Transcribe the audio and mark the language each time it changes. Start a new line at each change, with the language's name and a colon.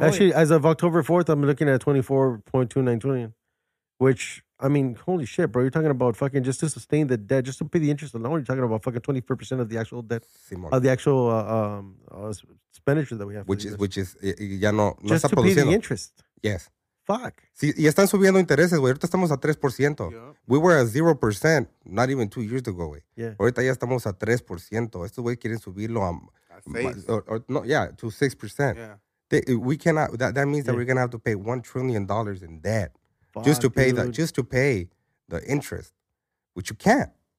English: Actually, as of October 4th, I'm looking at 24.29 trillion. which, I mean, holy shit, bro. You're talking about fucking just to sustain the debt, just to pay the interest alone, you're talking about fucking 24% of the actual debt, of the actual expenditure that we have. Which is,
Spanish: ya no,
English: just
Spanish: no está
English: to
Spanish: produciendo.
English: Pay the interest. Yes. Fuck.
Spanish: Sí, y están subiendo intereses, güey. Ahorita estamos a 3%.
English: Yeah. We were at 0%, not even 2 years ago, güey. Yeah.
Spanish: Ahorita ya estamos a 3%. Estos güey quieren subirlo to 6%.
English: Yeah. We cannot, that means that we're going to have to pay $1 trillion in debt. Fuck, just to pay the interest, which you can't.